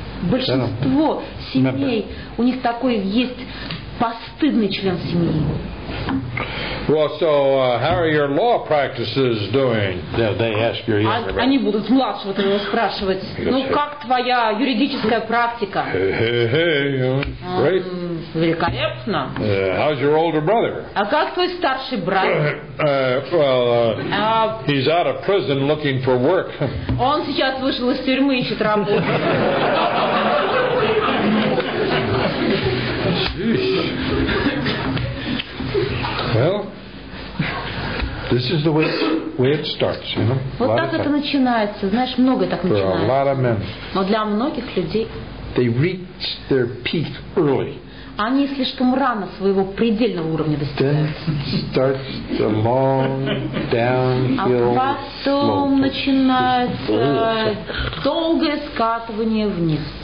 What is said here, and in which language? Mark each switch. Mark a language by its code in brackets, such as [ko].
[ru] Большинство семей, у них такой есть постыдный член семьи. [en] Well, so how are your law practices doing? They ask your younger brother. [ru] Они будут младшего твоего спрашивать. Ну как твоя юридическая практика? [en] Great. [ru] Великолепно. [en] How's your older brother? [ru] А как твой старший брат? [en] He's out of prison looking for work. [ru] Он сейчас вышел из тюрьмы и ищет работу. [en] Well, this is the way it starts, you know. [ru] Вот так это начинается, знаешь, многое так начинается. [en] For a lot of men. [ru] Но для многих людей. [en] They reach their peak early. [ru] Они слишком рано своего предельного уровня достигают. [en] Then starts the long downhill slope. [ru] А потом начинается долгое скатывание вниз.